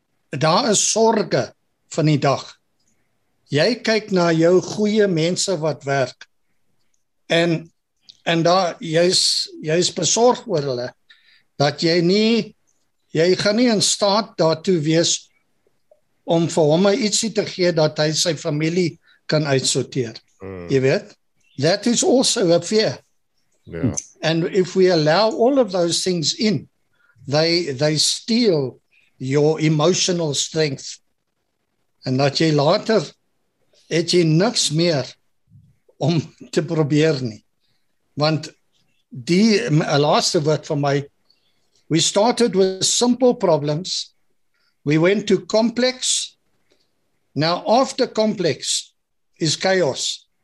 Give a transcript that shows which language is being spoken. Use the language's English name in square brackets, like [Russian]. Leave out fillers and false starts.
[Afrikaans] Daar is sorge van die dag. Jy kyk na jou goeie mense wat werk, en daar, jy is besorg oor hulle, dat jy gaan nie in staat daartoe wees om vir hom ietsie te gee dat hy sy familie kan uitsorteer. Mm. Jy weet, [English] that is also a fear. Yeah. And if we allow all of those things in, they steal your emotional strength. [Afrikaans] En dat jy later, het jy niks meer om te probeer nie. Want die laaste woord van my, [English] we started with simple problems, we went to complex, now after complex is chaos.